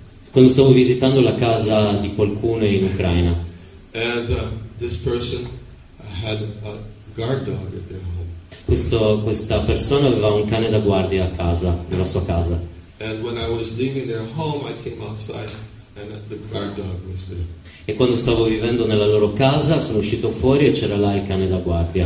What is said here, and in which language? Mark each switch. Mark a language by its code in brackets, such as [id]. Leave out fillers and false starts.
[it] Quando stavo visitando la casa di qualcuno in Ucraina. [en] And this person had a guard dog at their home. [it] Questa persona aveva un cane da guardia a casa, nella sua casa. [en] And when I was leaving their home, I came outside and the guard dog was there. [it] E quando stavo vivendo nella loro casa, sono uscito fuori e c'era là il cane da guardia.